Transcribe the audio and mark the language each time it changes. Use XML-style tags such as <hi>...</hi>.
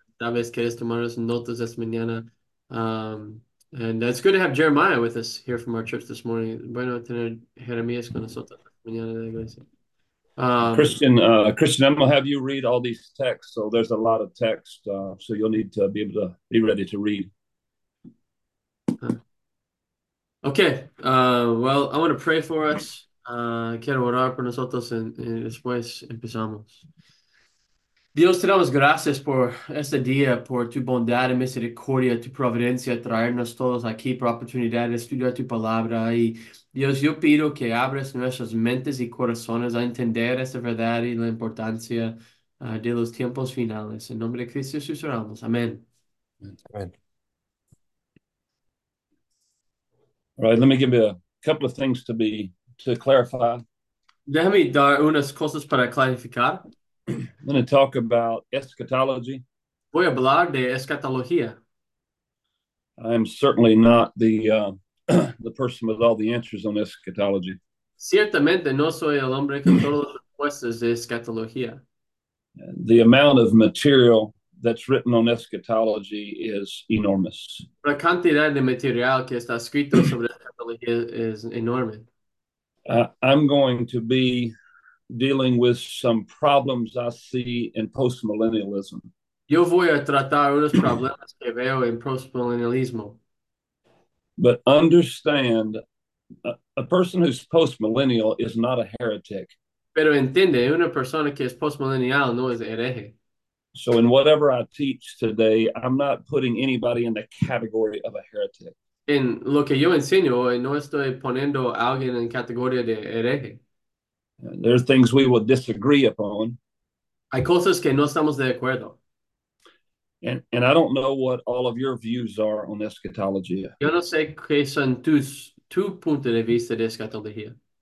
<es>Tal vez quieres tomar unas notas esta mañana.</es> <en>And it's good to have Jeremiah with us here from our church this morning.</en> <es>Bueno, tener Jeremías con nosotros mañana de la iglesia.</es> <en>Christian, I'm gonna have you read all these texts. So there's a lot of text, so you'll need to be able to be ready to read. Okay. Well, I want to pray for us.</en> <es>Quiero orar por nosotros, y después empezamos. Dios, te damos gracias por este día, por tu bondad y misericordia, tu providencia, traernos todos aquí por oportunidad de estudiar tu palabra. Y Dios, yo pido que abres nuestras mentes y corazones a entender esta verdad y la importancia de los tiempos finales. En nombre de Cristo Jesús oramos. Amén.</es> <en>Right. Right, let me give you a couple of things to be to clarify.</en> <es>Déjame dar unas cosas para clarificar.</es> <en>I'm going to talk about eschatology.</en> <es>Voy a hablar de escatología.</es> <en>I'm certainly not the person with all the answers on eschatology.</en> <es>Ciertamente no soy el hombre con todas las respuestas de escatología.</es> <en>The amount of material that's written on eschatology is enormous.</en> <es>La cantidad de material que está escrito sobre escatología es enorme.</es> <en>I'm going to be dealing with some problems I see in postmillennialism.</en> <es>Yo voy a tratar unos problemas que veo en postmillennialismo.</es> <en>But understand, a person who's postmillennial is not a heretic.</en> <es>Pero entiende, una persona que es postmillennial no es hereje.</es> <en>So in whatever I teach today, I'm not putting anybody in the category of a heretic.</en> <es>En lo que yo enseño hoy, no estoy poniendo a alguien en categoría de hereje.</es> <en>There are things we will disagree upon.</en> <es>Hay cosas que no estamos de acuerdo.</es> <en>And I don't know what all of your views are on eschatology.</en> <es>Yo no sé qué son tus puntos de vista de escatología.</es>